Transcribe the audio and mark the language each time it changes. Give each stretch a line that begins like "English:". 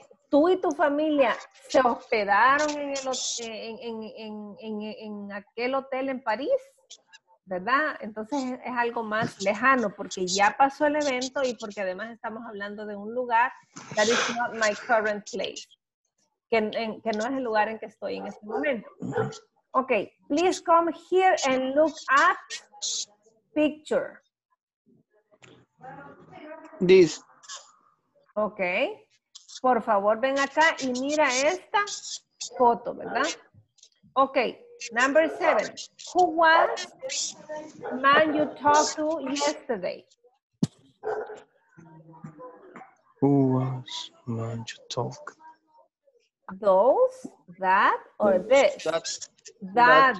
Spanish: ¿Tú y tu familia se hospedaron en, el hotel, en aquel hotel en París? ¿Verdad? Entonces es algo más lejano porque ya pasó el evento y porque además estamos hablando de un lugar
English: that is not my current place.
Spanish: Que no es el lugar en que estoy en este momento.
English: Ok, please come here and look at picture. This. Ok.
Spanish: Por favor, ven acá y mira esta foto, ¿verdad?
English: Ok, number 7. Who was the man you talked to yesterday? Who was the man you talked to? Those, that, or this? That,